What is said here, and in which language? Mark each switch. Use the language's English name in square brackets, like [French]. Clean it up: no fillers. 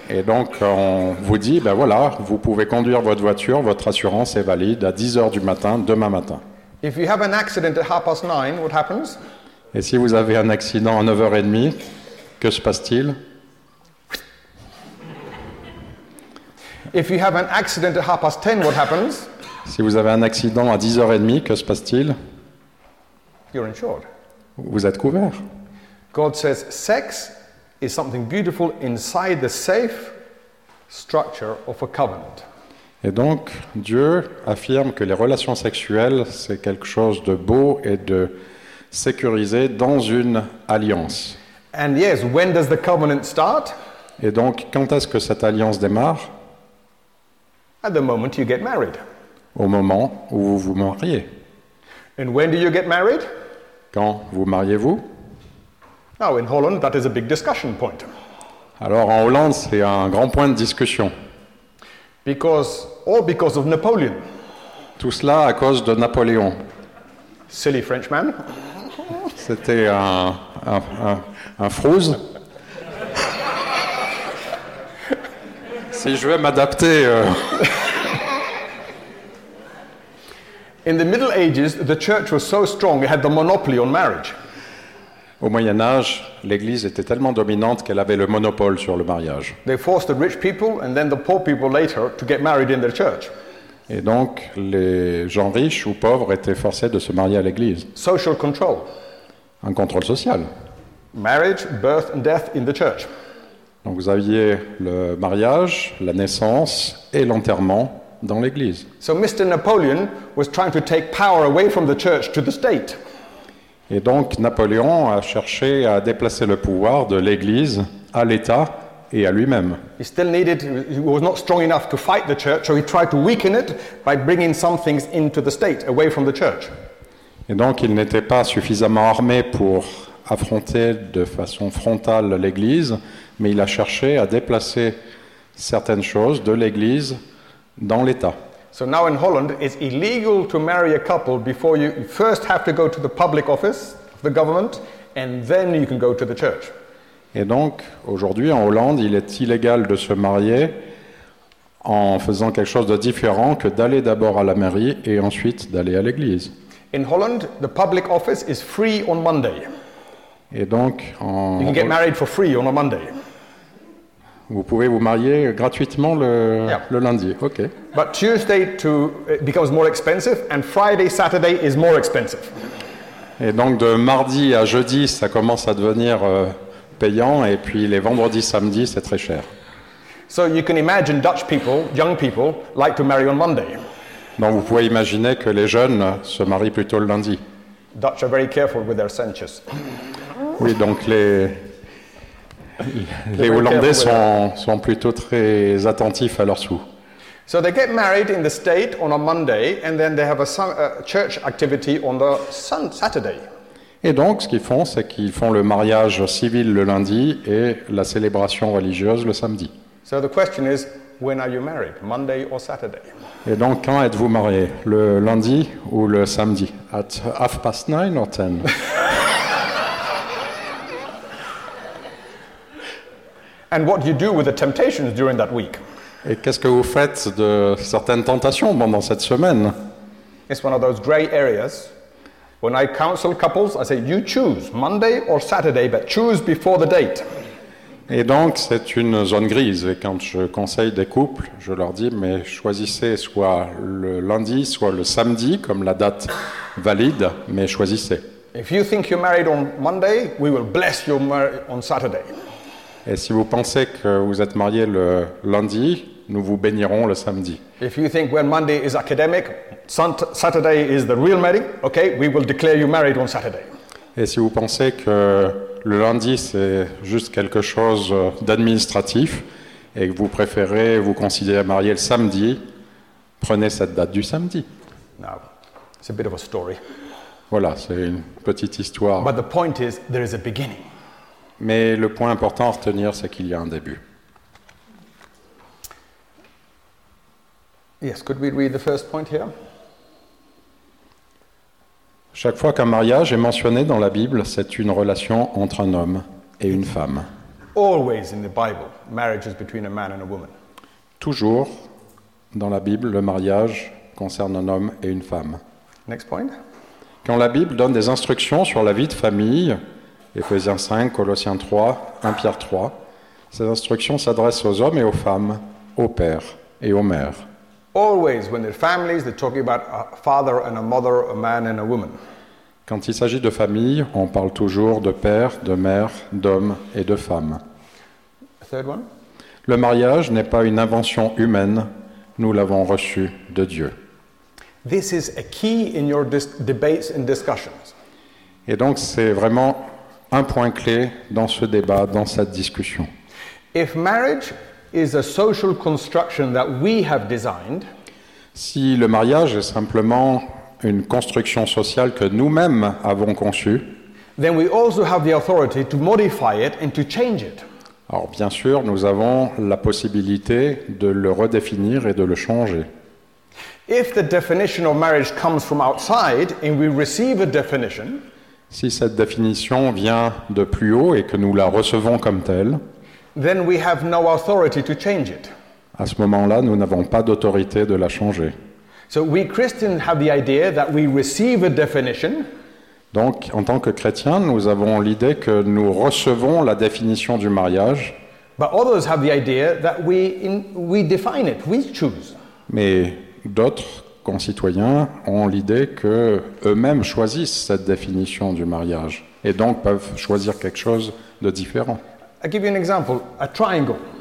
[French] Et donc, on vous dit, ben voilà, vous pouvez conduire votre voiture, votre assurance est valide à 10 heures du matin, demain matin. [English] If you have an accident at 9:30, what happens? [French] Et si vous avez un accident à 9h30, que se passe-t-il? [English] If you have an accident at 10:30, what happens? [French] Si vous avez un accident à 10h30, que se passe-t-il? [English] You're insured. [French] Vous êtes couvert. [English] God says sex is something beautiful inside the safe structure of a covenant. [French] Et donc Dieu affirme que les relations sexuelles c'est quelque chose de beau et de sécurisé dans une alliance. [English] And yes, when does the covenant start? [French] Et donc quand est-ce que cette alliance démarre? [English] At the moment you get married. [French] Au moment où vous vous mariez. [English] And when do you get married? [French] Quand vous mariez-vous? [English] Now in Holland, that is a big discussion point. [French] Alors en Hollande, c'est un grand point de discussion. [English] Because of Napoleon. [French] Tout cela à cause de Napoléon. [English] Silly Frenchman. [French] C'était un frouze. Si je vais m'adapter. [English] In the Middle Ages, the church was so strong it had the monopoly on marriage. [French] Au Moyen Âge, l'Église était tellement dominante qu'elle avait le monopole sur le mariage. [English] They forced the rich people and then the poor people later to get married in their church. [French] Et donc les gens riches ou pauvres étaient forcés de se marier à l'Église. [English] Social control. [French] Un contrôle social. [English] Marriage, birth and death in the church. [French] Donc vous aviez le mariage, la naissance et l'enterrement. Dans l'Église. [English] So Mr. Napoleon was trying to take power away from the church to the state. [French] Et donc Napoléon a cherché à déplacer le pouvoir de l'Église à l'État et à lui-même. [English] He still needed, he was not strong enough to fight the church, so he tried to weaken it by bringing some things into the state, away from the church. [French] Et donc il n'était pas suffisamment armé pour affronter de façon frontale l'Église, mais il a cherché à déplacer certaines choses de l'Église dans l'État. [English] So now in Holland, it's illegal to marry a couple before you first have to go to the public office, the government, and then you can go to the church. [French] Et donc, aujourd'hui en Hollande, il est illégal de se marier en faisant quelque chose de différent que d'aller d'abord à la mairie et ensuite d'aller à l'église. [English] In Holland, the public office is free on Monday. [French] Et donc, [English] you can get married for free on a Monday. [French] Vous pouvez vous marier gratuitement le lundi. [English] OK. But Tuesday to it becomes more expensive and Friday Saturday is more expensive. [French] Et donc de mardi à jeudi, ça commence à devenir payant et puis les vendredis samedi, c'est très cher. [English] So you can imagine Dutch people, young people like to marry on Monday. [French] Donc vous pouvez imaginer que les jeunes se marient plutôt le lundi. [English] Dutch are very careful with their censures. [French] Oui, donc les Hollandais sont plutôt très attentifs à leur sou. [English] So they get married in the state on a Monday and then they have a church activity on the Saturday. [French] Et donc ce qu'ils font c'est qu'ils font le mariage civil le lundi et la célébration religieuse le samedi. [English] So the question is when are you married, Monday or Saturday? [French] Et donc, quand êtes-vous marié, le lundi ou le samedi? [English] At 9:30 or 10? And what do you do with the temptations during that week? [French] Et qu'est-ce que vous faites de certaines tentations pendant cette semaine? [English] It's one of those gray areas. When I counsel couples, I say, you choose Monday or Saturday, but choose before the date. [French] Et donc, c'est une zone grise. Et quand je conseille des couples, je leur dis, mais choisissez soit le lundi, soit le samedi, comme la date valide, mais choisissez. [English] If you think you're married on Monday, we will bless you on Saturday. [French] Et si vous pensez que vous êtes marié le lundi, nous vous bénirons le samedi. [English] If you think when Monday is academic, Saturday is the real wedding, okay, we will declare you married on Saturday. [French] Et si vous pensez que le lundi c'est juste quelque chose d'administratif et que vous préférez vous considérer marié le samedi, prenez cette date du samedi. [English] Now, it's a bit of a story. [French] Voilà, c'est une petite histoire. [English] But the point is, there is a beginning. [French] Mais le point important à retenir, c'est qu'il y a un début. [English] Yes, could we read the first point here? [French] Chaque fois qu'un mariage est mentionné dans la Bible, c'est une relation entre un homme et une femme. [English] Always in the Bible, marriage is between a man and a woman. [French] Toujours dans la Bible, le mariage concerne un homme et une femme. [English] Next point. [French] Quand la Bible donne des instructions sur la vie de famille, Éphésiens 5, Colossiens 3, 1 Pierre 3, ces instructions s'adressent aux hommes et aux femmes, aux pères et aux mères. [English] Always when they're families, they're talking about a father and a mother, a man and a woman. [French] Quand il s'agit de famille, on parle toujours de père, de mère, d'homme et de femme. [English] Third one. [French] Le mariage n'est pas une invention humaine, nous l'avons reçu de Dieu. [English] This is a key in your debates and discussions. [French] Et donc c'est vraiment un point clé dans ce débat, dans cette discussion. [English] If marriage is a social construction that we have designed, [French] si le mariage est simplement une construction sociale que nous-mêmes avons conçue, [English] then we also have the authority to modify it and to change it. [French] Alors bien sûr, nous avons la possibilité de le redéfinir et de le changer. [English] If the definition of marriage comes from outside and we receive a definition, [French] si cette définition vient de plus haut et que nous la recevons comme telle, [English] then we have no authority to change it. [French] À ce moment-là, nous n'avons pas d'autorité de la changer. [English] So we Christians have the idea that we receive a definition. [French] Donc, en tant que chrétiens, nous avons l'idée que nous recevons la définition du mariage. [English] But others have the idea that we define it, we choose. [French] Mais d'autres concitoyens ont l'idée que eux-mêmes choisissent cette définition du mariage et donc peuvent choisir quelque chose de différent. [English] I give you an example, a triangle.